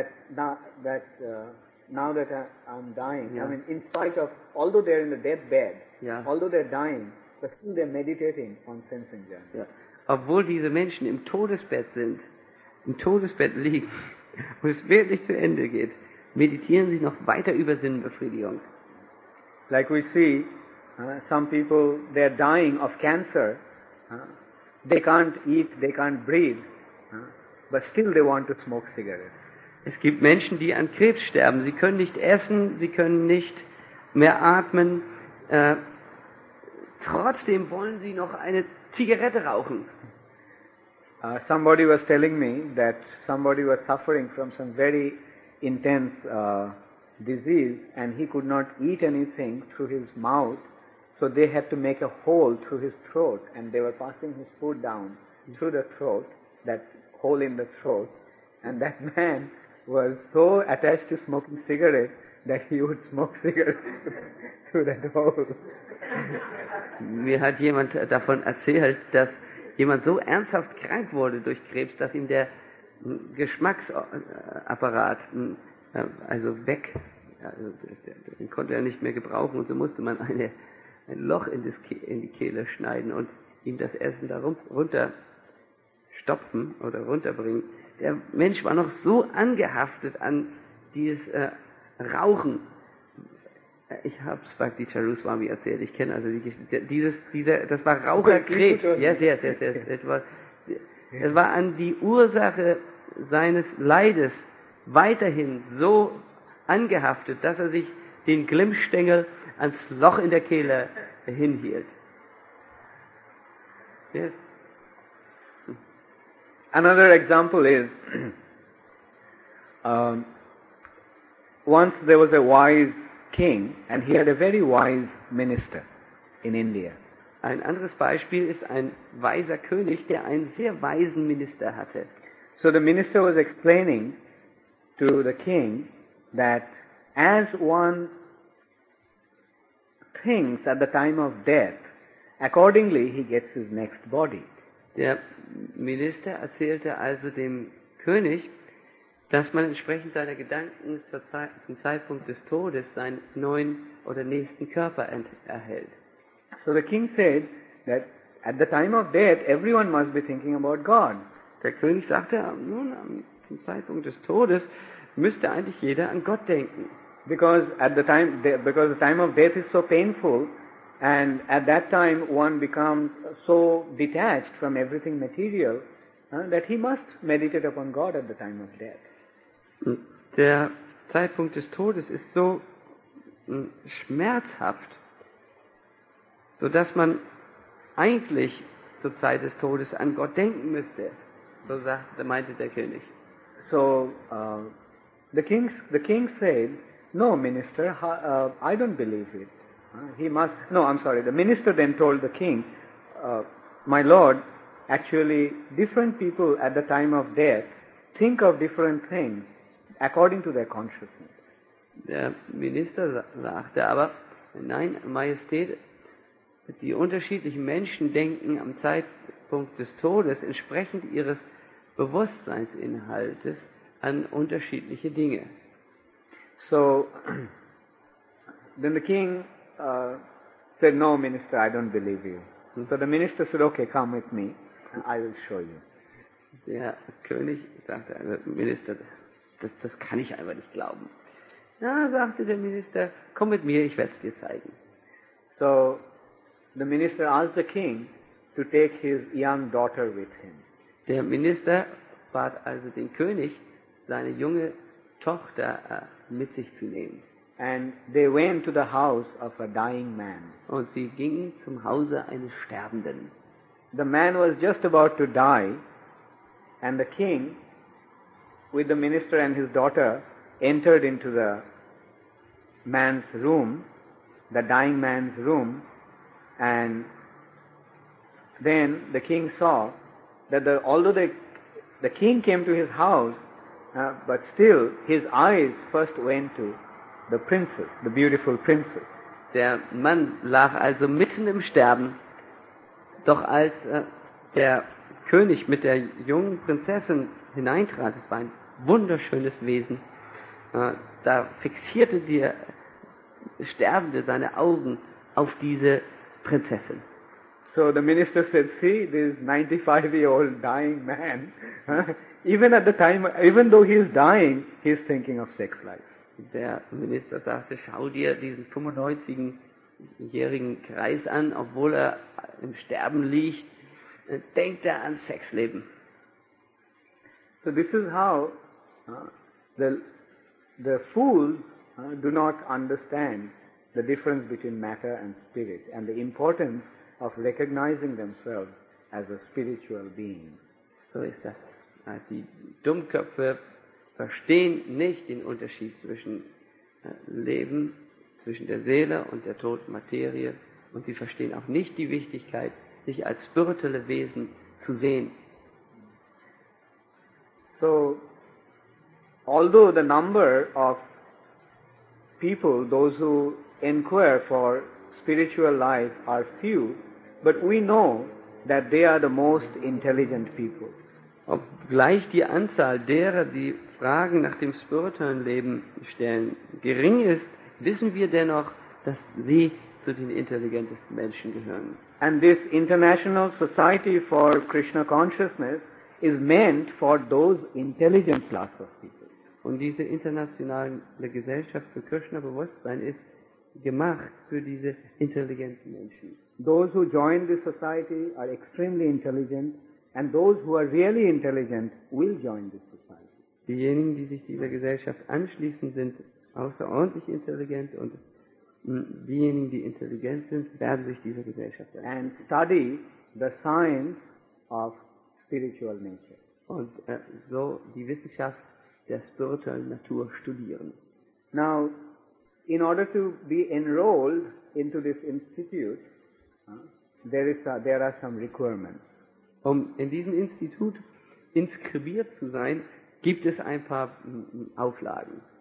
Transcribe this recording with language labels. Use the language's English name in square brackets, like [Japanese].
[English] now that I'm dying, yeah. I mean, in spite of, although they're in the deathbed, yeah. Although they're dying, but still they're meditating on sense enjoyment. Yeah. [German] Obwohl diese Menschen im Todesbett sind, im Todesbett liegen, wo es wirklich zu Ende geht, meditieren sie noch weiter über Sinnbefriedigung. [English] Like we see, some people, they're dying of cancer, they can't eat, they can't breathe, but still they want to smoke cigarettes. [German] Es gibt Menschen, die an Krebs sterben. Sie können nicht essen, sie können nicht mehr atmen. Trotzdem wollen sie noch eine Zigarette rauchen. [English] Somebody was telling me that somebody was suffering from some very intense disease and he could not eat anything through his mouth. So they had to make a hole through his throat and they were passing his food down through the throat, that hole in the throat, and that man was so attached to smoking cigarette that he would smoke cigarette through that hole. [German] Mir hat jemand davon erzählt, dass jemand so ernsthaft krank wurde durch Krebs, dass ihm der Geschmacksapparat also weg, also den konnte er nicht mehr gebrauchen und so musste man eine ein Loch in die Kehle schneiden und ihm das Essen da runter stopfen oder runterbringen. Der Mensch war noch so angehaftet an dieses Rauchen. Ich habe es Bhakti Charuswami erzählt, ich kenne also die Geschichte. Das war Raucherkrebs. Es war an die Ursache seines Leides weiterhin so angehaftet, dass er sich den Glimmstängel ans Loch in der Kehle hinhielt. [English] Yes. Another example is, once there was a wise king and he had a very wise minister in India. [German] Ein anderes Beispiel ist ein weiser König, der einen sehr weisen Minister hatte. [English] So the minister was explaining to the king that as one things at the time of death, accordingly he gets his next body. [German] Der Minister erzählte also dem König, dass man entsprechend seiner Gedanken zum Zeitpunkt des Todes seinen neuen oder nächsten Körper erhält. [English] So the king said that at the time of death everyone must be thinking about God. [German] Der König sagte, nun zum Zeitpunkt des Todes müsste eigentlich jeder an Gott denken. [English] Because at the time, because the time of death is so painful, and at that time one becomes so detached from everything material, that he must meditate upon God at the time of death. [German] Der Zeitpunkt des Todes ist so schmerzhaft, so dass man eigentlich zur Zeit des Todes an Gott denken müsste. So sagte, meinte der König. [English] So the king said, no minister, I don't believe it. The minister then told the king, my lord, actually different people at the time of death think of different things according to their consciousness. [German] Der Minister sagte aber, nein, Majestät, die unterschiedlichen Menschen denken am Zeitpunkt des Todes entsprechend ihres Bewusstseinsinhaltes an unterschiedliche Dinge. [English] So, then the king said, no, minister, I don't believe you. And so the minister said, okay, come with me, and I will show you. [German] Der König sagte, also Minister, das kann ich einfach nicht glauben. Na, sagte der Minister, komm mit mir, ich werde es dir zeigen. [English] So, the minister asked the king to take his young daughter with him. [German] Der Minister bat also den König, seine junge Tochter mit sich zu nehmen. [English] And they went to the house of a dying man. [German] Und sie gingen zum Hause eines Sterbenden. [English] The man was just about to die, and the king, with the minister and his daughter, entered into the man's room, the dying man's room, and then the king saw that although the king came to his house, but still his eyes first went to the princess, the beautiful princess. [German] Der Mann lag also mitten im Sterben, doch als der König mit der jungen Prinzessin hineintrat, es war ein wunderschönes Wesen, da fixierte der Sterbende seine Augen auf diese Prinzessin. [English] So the minister said, see, this 95-year-old dying man, even though he is dying, he is thinking of sex life. [German] Der Minister sagte, schau dir diesen 95-jährigen Greis an, obwohl er im Sterben liegt, denkt er an Sexleben. [English] So this is how the fools do not understand the difference between matter and spirit and the importance of recognizing themselves as a spiritual being. [German] So ist das. Die Dummköpfe verstehen nicht den Unterschied zwischen Leben, zwischen der Seele und der toten Materie, und sie verstehen auch nicht die Wichtigkeit, sich als spirituelle Wesen zu sehen. [English] So, although the number of people, those who inquire for spiritual life, are few, but we know that they are the most intelligent people. [German] Obgleich die Anzahl derer, die Fragen nach dem spirituellen Leben stellen, gering ist, wissen wir dennoch, dass sie zu den intelligentesten Menschen gehören. [English] And this International Society for Krishna Consciousness is meant for those intelligent class of people. [German] Und diese internationale Gesellschaft für Krishna-Bewusstsein ist gemacht für diese intelligenten Menschen. [English] Those who join this society are extremely intelligent, and those who are really intelligent will join this society. [German] Diejenigen, die sich dieser Gesellschaft anschließen, sind außerordentlich intelligent, und diejenigen, die intelligent sind, werden sich dieser Gesellschaft anschließen. [English] And study the science of spiritual nature. [German] Und so die Wissenschaft der spirituellen Natur studieren. [English] Now, in order to be enrolled into this institute, there are some requirements. [German] Um in diesem Institut inskribiert zu sein, gibt es ein paar Auflagen.